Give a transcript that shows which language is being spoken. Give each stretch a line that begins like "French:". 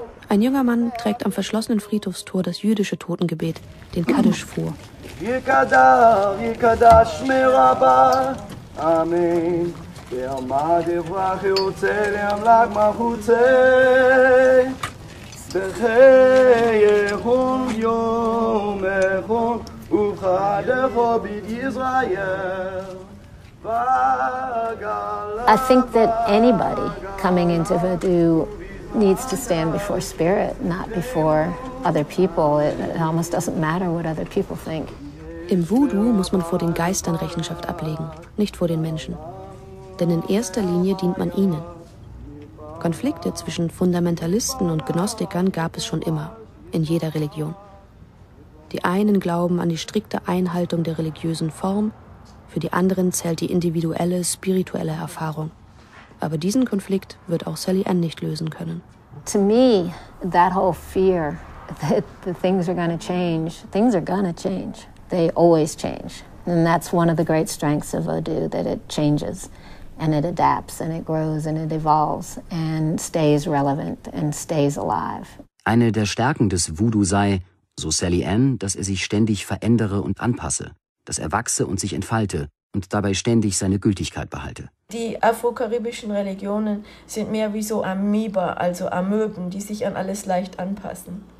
German: Ein junger Mann trägt am verschlossenen Friedhofstor das jüdische Totengebet, den Kaddisch, vor.
English: I think that anybody coming into Vodou needs to stand before spirit, not before other people. It almost doesn't matter what other people think.
German: Im Vodou muss man vor den Geistern Rechenschaft ablegen, nicht vor den Menschen. Denn in erster Linie dient man ihnen. Konflikte zwischen Fundamentalisten und Gnostikern gab es schon immer, in jeder Religion. Die einen glauben an die strikte Einhaltung der religiösen Form, für die anderen zählt die individuelle, spirituelle Erfahrung. Aber diesen Konflikt wird auch Sally Ann nicht lösen können.
English: To me, that whole fear that things are gonna change, they always change. And that's one of the great strengths of Vodou, that it changes. And it adapts and it grows and it evolves and stays relevant and stays alive.
German: Eine der Stärken des Voodoo sei, so Sally Ann, dass er sich ständig verändere und anpasse, dass er wachse und sich entfalte und dabei ständig seine Gültigkeit behalte. Die afrokaribischen Religionen sind mehr wie so Amoeba, also Amöben, die sich an alles leicht anpassen.